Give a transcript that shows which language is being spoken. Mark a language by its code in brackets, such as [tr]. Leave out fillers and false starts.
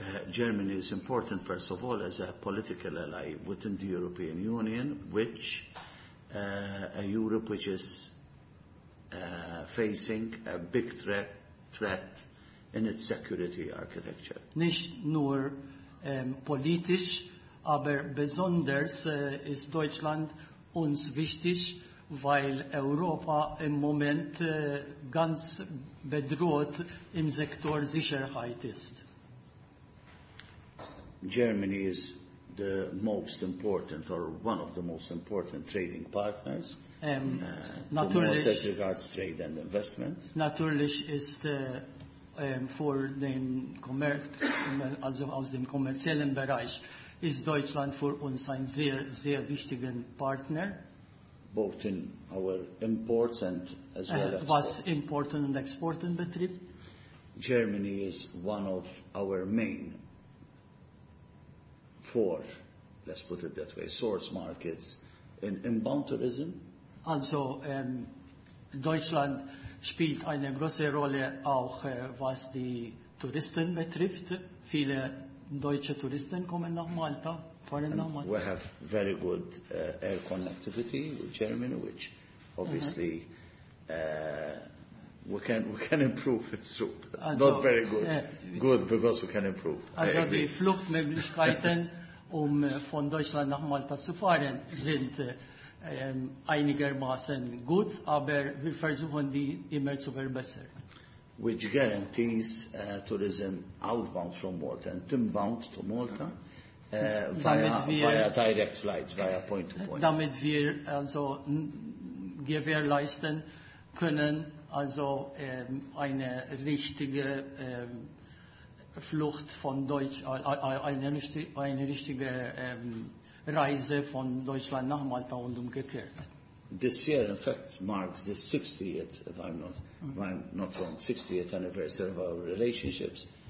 [en] Germany is important, first of all, as a political ally within the European Union, which a Europe which is facing a big threat in its security architecture. [de] Nicht nur politisch, aber besonders ist Deutschland uns wichtig, weil Europa im Moment ganz bedroht im Sektor Sicherheit ist. [en] Germany is the most important or one of the most important trading partners [de] natürlich, [en] as regards trade and investment. [de] Natürlich ist für den also aus dem kommerziellen Bereich ist Deutschland für uns ein sehr, sehr wichtiger Partner. [en] Both in our imports and as well as [de] was Importen und Exporten betrifft. [en] Germany is one of our main four, let's put it that way, source markets in inbound tourism. [de] Also Deutschland spielt eine große Rolle auch was die Touristen betrifft. Viele deutsche Touristen kommen nach Malta, fahren nach Malta. [en] We have very good air connectivity with Germany, which obviously we can improve it so. [de] Also, [en] not very good. Good because we can improve. [de] Also die Fluchtmöglichkeiten von Deutschland nach Malta zu fahren, sind einigermaßen gut, aber wir versuchen die immer zu verbessern. [en] which guarantees tourism outbound from Malta and inbound to Malta via direct flights, via point to point. [de] Damit wir also gewährleisten können, also eine richtige Flucht von Deutsch, eine richtige Reise von Deutschland nach Malta und umgekehrt. [en] This year, in fact, marks the 60th, if I'm not wrong, 60th anniversary of our relationships.